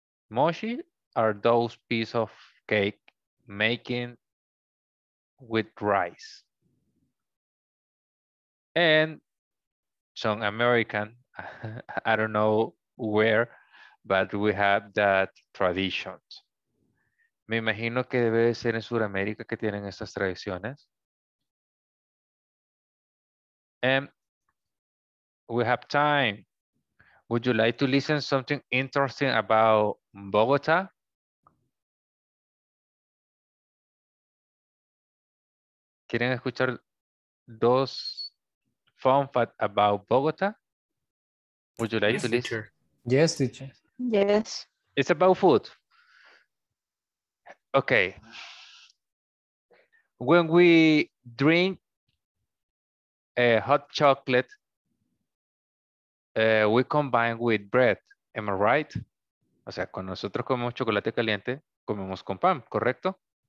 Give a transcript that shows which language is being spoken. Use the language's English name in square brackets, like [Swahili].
[English] Mochi are those pieces of cake making with rice. And some American, I don't know where, but we have that tradition. [Spanish] Me imagino que debe de ser en Sudamérica que tienen estas tradiciones. [English] And we have time. Would you like to listen something interesting about Bogota? [Spanish] ¿Quieren escuchar dos [English] fun facts about Bogota? Would you like yes, to listen? Teacher. Yes, teacher. Yes. It's about food. Okay. When we drink hot chocolate, we combine with bread. Am I right? [Spanish] O sea, cuando nosotros comemos chocolate caliente, comemos con pan, ¿correcto?